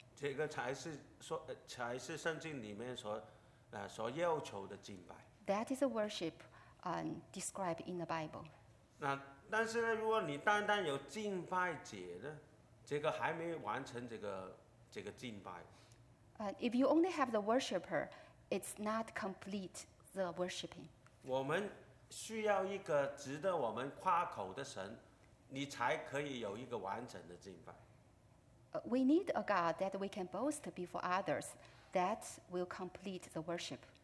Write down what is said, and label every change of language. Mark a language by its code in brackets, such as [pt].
[zh] 这个才是圣经里面所要求的敬拜。 [en] That is a worship, described in the Bible. [zh] 那但是呢，如果你单单有敬拜节呢，这个还没完成这个敬拜。 [en] If you only have the worshipper. It's not complete the worshiping. [zh] 我们需要一个值得我们夸口的神，你才可以有一个完整的敬拜。 [en] We need a God that we can boast before others that will complete the worship.